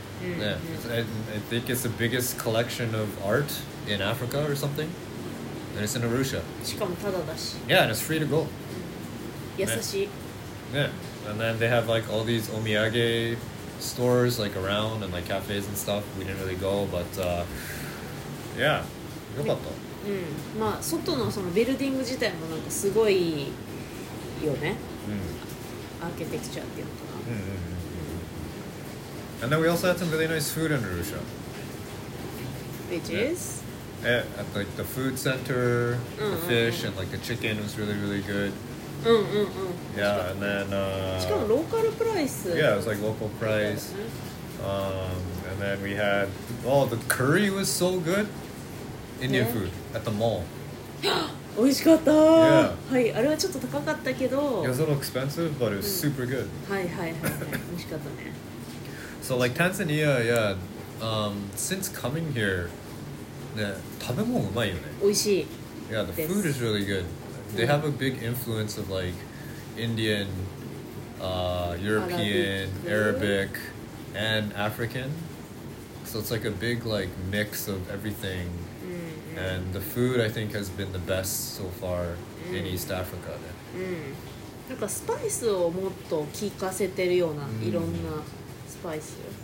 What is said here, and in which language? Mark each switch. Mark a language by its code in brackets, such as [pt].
[en] I think it's the biggest collection of art in Africa or something, and it's in Arusha. [ja] しかもただだし。 [en] Yeah, and it's free to go. [ja] 優しい。 [en] Yeah, and then they have like all these omiyage stores like around and like cafes and stuff. We didn't really go, but yeah, [ja] よかった。まあ外のそのビルディング自体もなんかすごいよね、アーキテクチャーっていうのかな、 [en] And then we also had some really nice food in Arusha. Which is? Yeah, at like the food center, the fish and like the chicken was really really good. Yeah, and then [ja] しかもローカルプライス。 [en] Yeah, it was like local price. And then we had, oh, the curry was so good. Indian food at the mall. [ja] おいしかった。はい、あれはちょっと高かったけど。 [en] It was a little expensive, but it was super good. [ja] はいはいはい、おいしかったね。 [en] So like Tanzania, yeah, since coming here, [ja] ね、食べ物うまいよね。おいしい。 [en] Yeah, the food is really good. They have a big influence of like Indian, European, Arabic, and African So it's like a big like mix of everything. Mm-hmm. And the food I think has been the best so far mm-hmm. in East Africa. Mm-hmm. [ja] なんかスパイスをもっと効かせてるようないろんなスパイス、